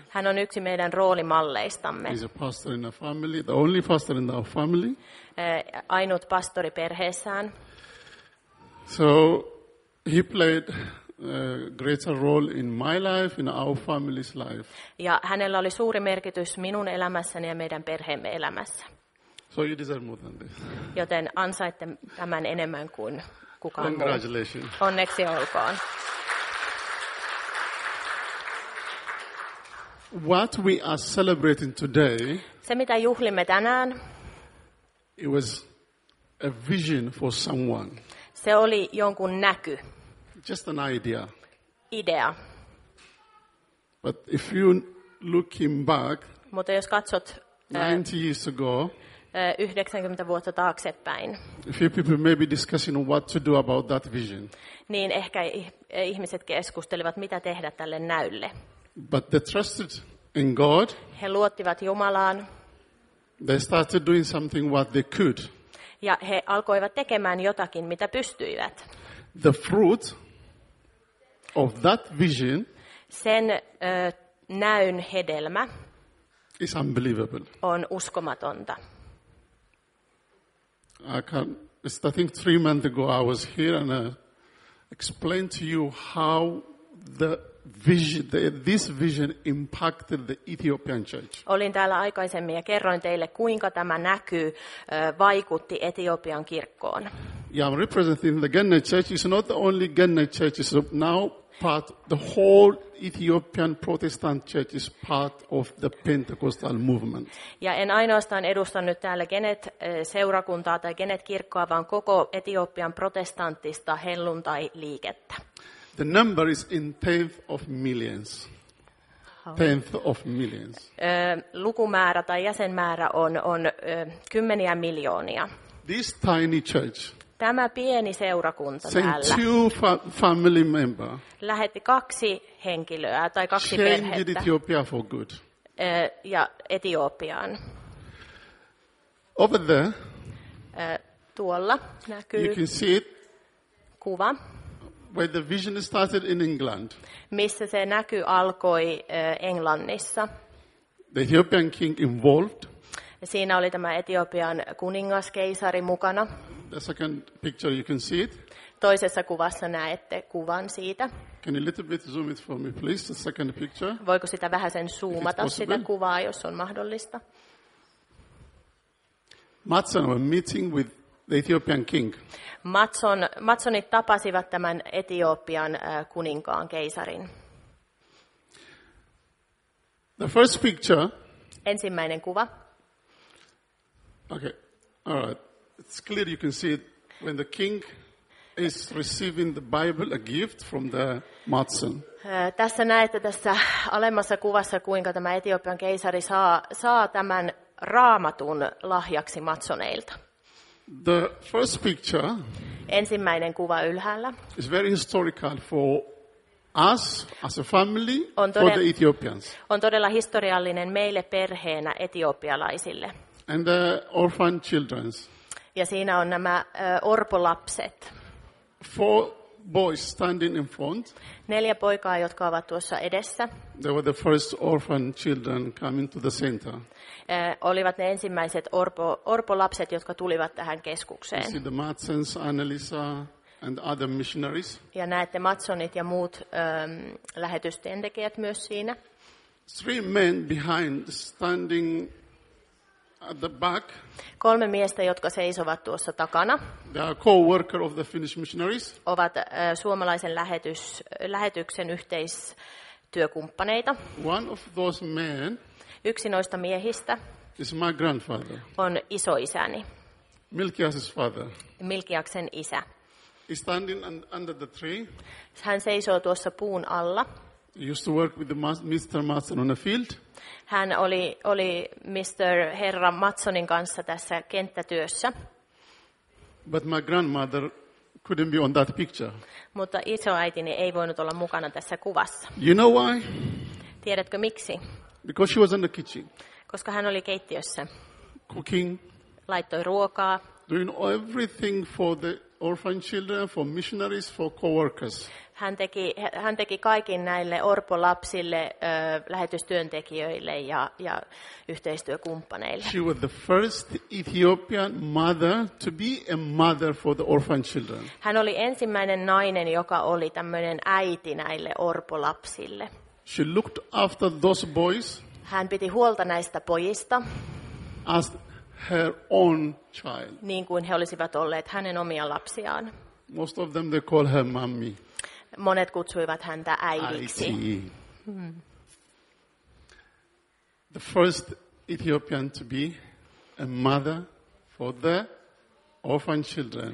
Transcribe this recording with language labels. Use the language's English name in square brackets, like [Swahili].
[Finnish] Hän on yksi meidän roolimalleistamme. [English] He is a pastor in a family, the only pastor in our family. [Finnish] Ainut pastori perheessään. [English] So he played greater role in my life, in our family's life. [Finnish] Ja hänellä oli suuri merkitys minun elämässäni ja meidän perheemme elämässä. [English] So you deserve more than this. [Finnish] Joten ansaitte tämän enemmän kuin kukaan muu. [English] Congratulations. [Finnish] Onneksi olkoon. [English] What we are celebrating today. [Finnish] Se mitä juhlimme tänään. [English] It was a vision for someone. [Finnish] Se oli jonkun näky. [English] Just an idea. [Finnish] Idea. [English] But if you look him back. [Finnish] Mutta jos katsot [English] 90 years ago. [Finnish] 90 vuotta taaksepäin. [English] A few people may be discussing what to do about that vision. [Finnish] Niin ehkä ihmiset keskustelivat mitä tehdä tälle näylle. [English] But they trusted in God. [Finnish] He luottivat Jumalaan. [English] They started doing something what they could. [Finnish] Ja he alkoivat tekemään jotakin mitä pystyivät. [English] The fruit of that vision. [Finnish] Sen näyn hedelmä. [English] Is unbelievable. [Finnish] On uskomatonta. [English] I think 3 months ago I was here and I explained to you how this vision impacted the Ethiopian church. [Finnish] Olin täällä aikaisemmin ja kerroin teille kuinka tämä näky vaikutti Etiopian kirkkoon. [English] Yeah, I'm representing the Genne church. It's not the only Genne church. It's now part the whole Ethiopian Protestant church is part of the Pentecostal movement. [Finnish] Ja en ainoastaan edusta nyt täällä Genet seurakuntaa tai Genet kirkkoa vaan koko Etiopian protestanttista helluntai liikettä. [English] The number is in tenth of millions. Tenth of millions. [Finnish] Lukumäärä tai jäsenmäärä on kymmeniä miljoonia. [English] This tiny church. [Finnish] Tämä pieni seurakunta [English] sent [Finnish] täällä [English] family member, [Finnish] lähetti 2 henkilöä tai 2 perhettä [English] Ethiopia for good. [Finnish] Ja Etiopiaan. [English] Over there, [Finnish] tuolla näkyy [English] you can see it, [Finnish] kuva, [English] where the vision started in England. [Finnish] Missä se näky alkoi Englannissa. [English] The Ethiopian king involved. [Finnish] Siinä oli tämä Etiopian kuningas keisari mukana. [English] The second picture you can see it. [Finnish] Toisessa kuvassa näette kuvan siitä. [English] Can you a little bit zoom it for me please, the second picture? [Finnish] Voiko sitä vähän sen zoomata sitä kuvaa jos on mahdollista? [English] Matson were meeting with the Ethiopian king. [Finnish] Matsonit tapasivat tämän Etiopian kuninkaan keisarin. [English] The first picture. [Finnish] Ensimmäinen kuva. [English] Okay. All right. It's clear you can see it when the king is receiving the Bible, a gift from the matson. [Finnish] Tässä näette tässä alemmassa kuvassa, kuinka tämä Etiopian keisari saa tämän raamatun lahjaksi matsoneilta. [English] The first picture. [Finnish] Ensimmäinen kuva ylhäällä. [English] It's very historical for us as a family for the Ethiopians. [Finnish] On todella historiallinen meille perheenä etiopialaisille. [English] And the orphan children. [Finnish] Ja siinä on nämä orpolapset. [English] 4 boys standing in front. [Finnish] 4 poikaa, jotka ovat tuossa edessä. [English] They were the first orphan children coming to the center. [Finnish] Olivat ne ensimmäiset orpolapset, jotka tulivat tähän keskukseen. [English] You see the Matsons, Annelisa, and other missionaries. [Finnish] Ja näette Matsonit ja muut lähetystyöntekijät myös siinä. [English] 3 men behind standing at the back. [Finnish] Kolme miestä, jotka seisovat tuossa takana. [English] They are co-worker of the Finnish missionaries. [Finnish] Ovat suomalaisen lähetyksen yhteistyökumppaneita. [English] One of those men. [Finnish] Yksi noista miehistä. [English] Is my grandfather. [Finnish] On isoisäni. [English] Milkias's father. [Finnish] Milkiaksen isä. [English] He's standing under the tree. [Finnish] Hän seisoo tuossa puun alla. [English] Used to work with the Mr. Matson on the field. [Finnish] Hän oli Mr. Herra Matsonin kanssa tässä kenttätyössä. [English] But my grandmother couldn't be on that picture. [Finnish] Mutta isoäitini ei voinut olla mukana tässä kuvassa. [English] You know why? [Finnish] Tiedätkö miksi? [English] Because she was in the kitchen. [Finnish] Koska hän oli keittiössä. [English] Cooking. [Finnish] Laittoi ruokaa. [English] Doing everything for the orphan children, for missionaries, for co-workers. [Finnish] Hän teki kaikin näille orpolapsille, lähetystyöntekijöille ja yhteistyökumppaneille. [English] She was the first Ethiopian mother to be a mother for the orphan children. [Finnish] Hän oli ensimmäinen nainen, joka oli tämmöinen äiti näille orpolapsille. [English] She looked after those boys. [Finnish] Hän piti huolta näistä pojista. [English] As her own child. [Finnish] Niin kuin he olisivat olleet hänen omia lapsiaan. [English] Most of them they call her mommy. [Finnish] Monet kutsuivat häntä äidiksi. [English] The first Ethiopian to be a mother for the orphan children.